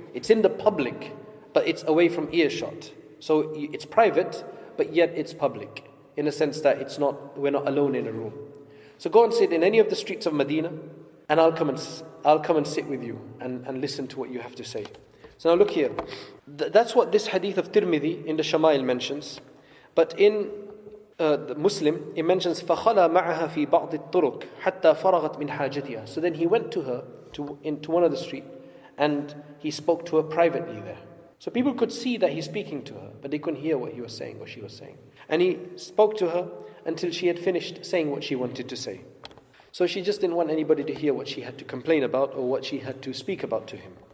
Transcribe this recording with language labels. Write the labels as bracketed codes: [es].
[en] It's in the public, but it's away from earshot. So it's private, but yet it's public, in a sense that we're not alone in a room. So go and sit in any of the streets of Medina, and I'll come and sit with you and listen to what you have to say. So now look here. That's what this hadith of Tirmidhi in the Shama'il mentions. But in the Muslim, it mentions, [ar] فَخَلَى مَعَهَا فِي بَعْضِ الطُّرُكِ حَتَّى فَرَغَتْ مِنْ حَاجَتِهَا. [en] So then he went to her, to one of the streets, and he spoke to her privately there. So people could see that he's speaking to her, but they couldn't hear what he was saying or she was saying. And he spoke to her until she had finished saying what she wanted to say. So she just didn't want anybody to hear what she had to complain about or what she had to speak about to him.